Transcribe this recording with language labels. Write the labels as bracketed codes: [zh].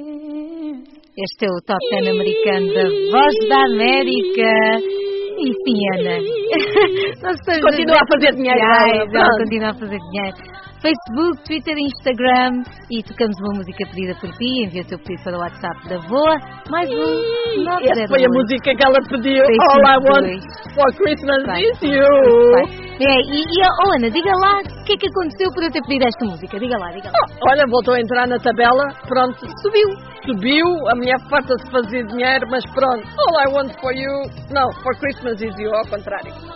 [pt] Este é o Top 10 americano da Voz da América. Enfim, Ana. Continua a fazer dinheiro. Continua a fazer dinheiro. Facebook, Twitter, Instagram. E tocamos uma música pedida por ti. Envia o seu pedido para o WhatsApp da Voa. Mais um. Essa foi a música que ela pediu. [en] All I want for Christmas is you. [pt] Oh, Ana, diga lá o que é que aconteceu por eu ter pedido esta música. Diga lá. Olha, voltou a entrar na tabela. Pronto. Subiu. A mulher farta de fazer dinheiro, mas pronto. [en] All I want for you. [pt] Não, [en] for Christmas is you, [pt] ao contrário.